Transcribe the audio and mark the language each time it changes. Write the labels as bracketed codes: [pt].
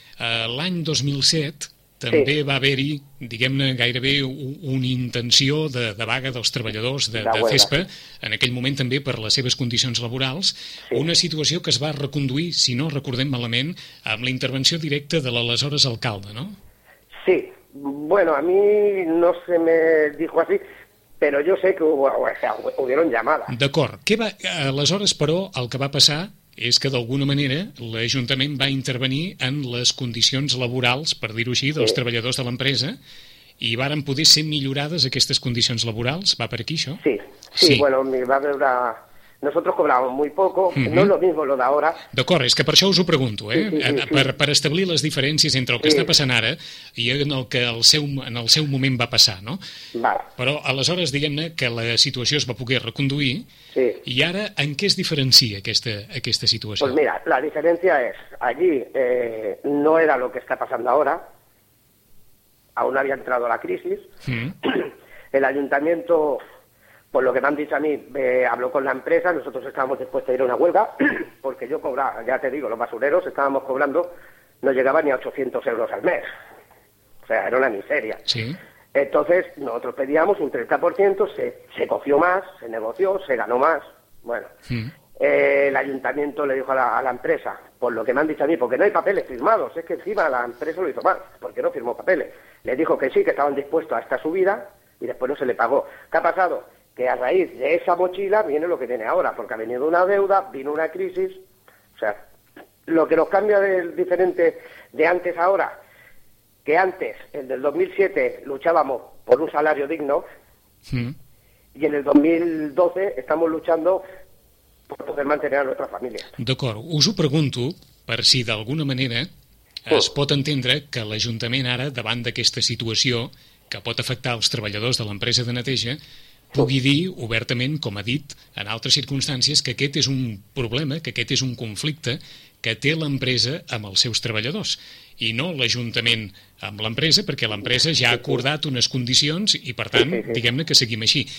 [ca] L'any 2007 també va haver-hi, diguem-ne, gairebé una intenció de vaga dels treballadors de CESPA, en aquell moment també per les seves condicions laborals, una situació que es va reconduir, si no recordem malament, amb la intervenció directa de l'aleshores alcalde, no? Sí. [es] Bueno, a mí no se me dijo así, pero yo sé que hubieron llamadas. [ca] D'acord. Aleshores, però, el que va passar és que, d'alguna manera, l'Ajuntament va intervenir en les condicions laborals, per dir-ho així, dels treballadors de l'empresa, i varen poder ser millorades aquestes condicions laborals. Va per aquí, això? Sí. Bueno, me va veure... [es] Nosotros cobramos muy poco, no es lo mismo lo de ahora. [ca] D'acord, és que per això us ho pregunto, eh? Per establir les diferències entre el que està passant ara i en el que en el seu moment va passar, no? Vale. Però aleshores, diguem-ne, que la situació es va poder reconduir, i ara en què es diferencia aquesta situació? [es] Pues mira, [ca] la diferència és, [es] allí no era lo que está pasando ahora, aún había entrado la crisis, el ayuntamiento... Pues lo que me han dicho a mí, habló con la empresa, nosotros estábamos dispuestos a ir a una huelga, porque yo cobraba, ya te digo, los basureros estábamos cobrando, no llegaba ni a 800 euros al mes. O sea, era una miseria. Sí. Entonces, nosotros pedíamos un 30%, se cogió más, se negoció, se ganó más. Bueno, el ayuntamiento le dijo a la empresa, por lo que me han dicho a mí, porque no hay papeles firmados, es que encima la empresa lo hizo mal, porque no firmó papeles. Le dijo que sí, que estaban dispuestos a esta subida, y después no se le pagó. ¿Qué ha pasado? Que a raíz de esa mochila viene lo que viene ahora, porque ha venido una deuda, vino una crisis. O sea, lo que nos cambia de diferente de antes a ahora, que antes, el del 2007, luchábamos por un salario digno, y en el 2012 estamos luchando por poder mantener a nuestras familias. [ca] D'acord. Us ho pregunto per si d'alguna manera es pot entendre que l'Ajuntament ara, davant d'aquesta situació que pot afectar els treballadors de l'empresa de neteja, pugui dir obertament, com ha dit en altres circumstàncies, que aquest és un problema, que aquest és un conflicte que té l'empresa amb els seus treballadors i no l'Ajuntament amb l'empresa, perquè l'empresa ja ha acordat unes condicions i, per tant, diguem-ne que seguim així.